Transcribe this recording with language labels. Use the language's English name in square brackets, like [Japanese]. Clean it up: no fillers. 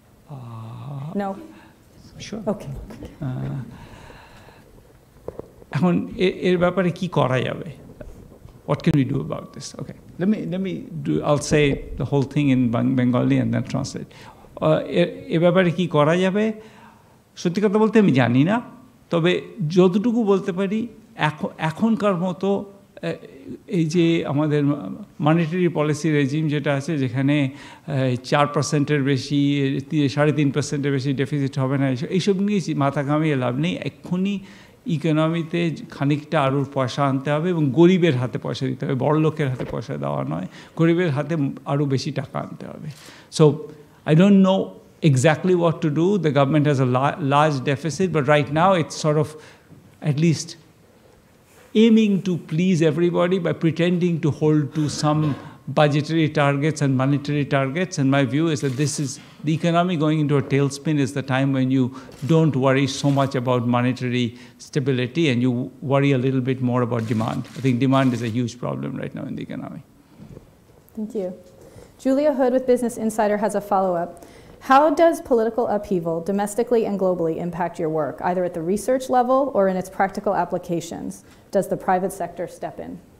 [English] No. Sure. Okay. [Bangla] এখন এর ব্যাপারে কি করা যাবে? [English] What can we do about this? Okay. I'll say the whole thing in Bengali and then translate. [Bangla] এ ব্যাপারে কি করা যাবে? সত্যি কথা বলতে আমি জানি না। তবে যতটুকু বলতে পারি এখনকার মতো এই যে আমাদের মানিটারি পলিসি রেজিম যেটা আছে যেখানে 4%-এর বেশি 3.5%-এর বেশি ডেফিসিট হবে না এইসব নিয়ে মাথা ঘামিয়ে লাভ নেই এক্ষুনি ইকোনমিতে খানিকটা আরও পয়সা আনতে হবে এবং গরিবের হাতে পয়সা দিতে হবে বড় লোকের হাতে পয়সা দেওয়া নয় গরিবের হাতে আরও বেশি টাকা আনতে হবে so [English] I don't know exactly what to do the government has a large deficit but right now it's sort of at least aiming to please everybody by pretending to hold to some budgetary targets and monetary targets. And my view is that this is the economy going into a tailspin is the time when you don't worry so much about monetary stability and you worry a little bit more about demand. I think demand is a huge problem right now in the economy. Thank you. Julia Hood with Business Insider has a follow-up. How does political upheaval domestically and globally impact your work, either at the research level or in its practical applications? Does the private sector step in?